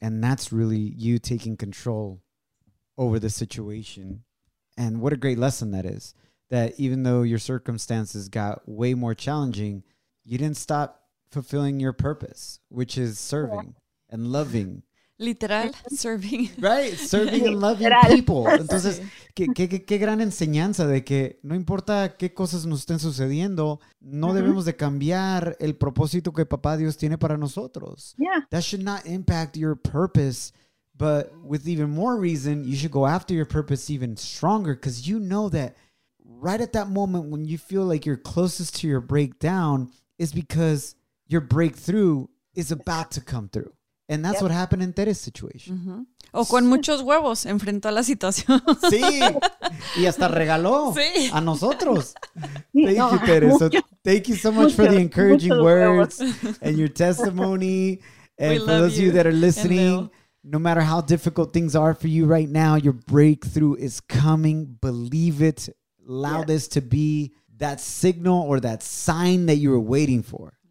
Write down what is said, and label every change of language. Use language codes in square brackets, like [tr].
[en] And that's really you taking control over the situation. And what a great lesson that is. That even though your circumstances got way more challenging, you didn't stop fulfilling your purpose, which is serving and loving. Literal, serving. Right, serving and loving people. [es] Entonces, qué gran enseñanza de que no importa qué cosas nos estén sucediendo, no debemos de cambiar el propósito que papá Dios tiene para nosotros. [en] Yeah. That should not impact your purpose. But with even more reason, you should go after your purpose even stronger because you know that right at that moment when you feel like you're closest to your breakdown is because your breakthrough is about to come through. And that's what happened in Tere's situation. Mm-hmm. [es] O con muchos huevos, enfrentó la situación. Sí, y hasta regaló a nosotros. [en] Thank you, Tere. So thank you so much for the encouraging words and your testimony. And for those of you that are listening, no matter how difficult things are for you right now, your breakthrough is coming. Believe it. Allow this to be that signal or that sign that you were waiting for.